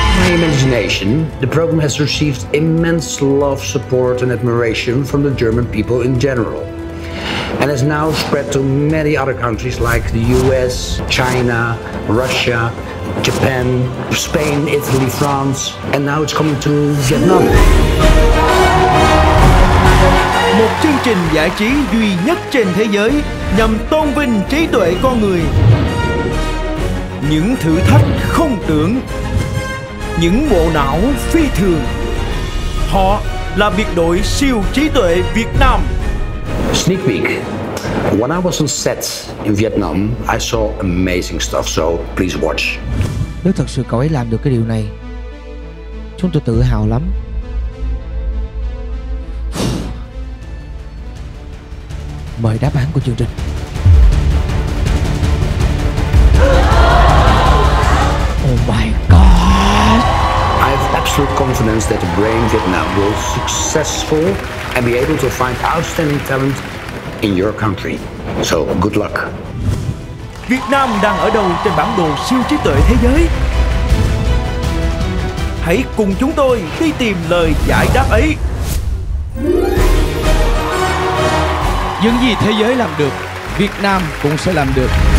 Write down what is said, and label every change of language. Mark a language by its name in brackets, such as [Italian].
[English] Imagination, the program has received immense love, support and admiration from the German people in general and has now spread to many other countries like the US, China, Russia, Japan, Spain, Italy, France and now it's coming to Vietnam. [Vietnamese] Một chương trình giải trí duy nhất trên thế giới nhằm tôn vinh trí tuệ con người. Những thử thách không tưởng, những bộ não phi thường. Họ là biệt đội siêu trí tuệ Việt Nam. [English] Sneak peek. When I was on set in Vietnam, I saw amazing stuff, so please watch. [Vietnamese] Nếu thật sự cậu ấy làm được cái điều này, chúng tôi tự hào lắm. Mời đáp án của chương trình. [English] Oh my God. Absolute confidence that the brain Vietnam will successful and be able to find outstanding talent in your country. So good luck. [Vietnamese] Việt Nam đang ở đâu trên bản đồ siêu trí tuệ thế giới? Hãy cùng chúng tôi đi tìm lời giải đáp ấy. Những gì thế giới làm được, Việt Nam cũng sẽ làm được.